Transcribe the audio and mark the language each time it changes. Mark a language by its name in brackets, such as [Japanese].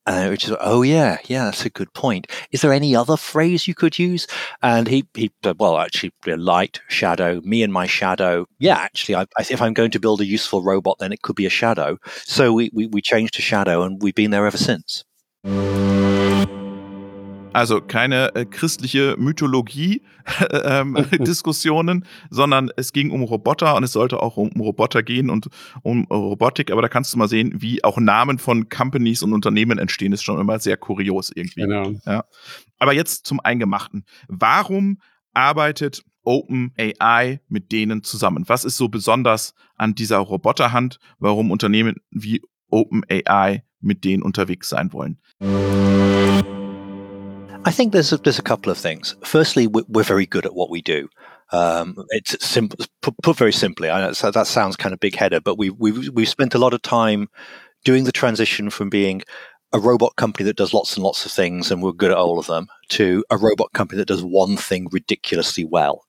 [English] Which is, oh yeah, yeah, that's a good point. Is there any other phrase you could use? And he well, actually, light, shadow, me and my shadow. Yeah, actually, if I'm going to build a useful robot, then it could be a shadow. So we changed to shadow, and we've been there ever since. [German] Also keine christliche Mythologie-Diskussionen, sondern es ging um Roboter und es sollte auch um Roboter gehen und um Robotik. Aber da kannst du mal sehen, wie auch Namen von Companies und Unternehmen entstehen. Ist schon immer sehr kurios irgendwie. Genau. Ja. Aber jetzt zum Eingemachten. Warum arbeitet OpenAI mit denen zusammen? Was ist so besonders an dieser Roboterhand? Warum Unternehmen wie OpenAI mit denen unterwegs sein wollen? [English] I think there's a couple of things. Firstly, we're very good at what we do. It's simple, put very simply. I know that sounds kind of big-headed, but we've spent a lot of time doing the transition from being a robot company that does lots and lots of things, and we're good at all of them, to a robot company that does one thing ridiculously well.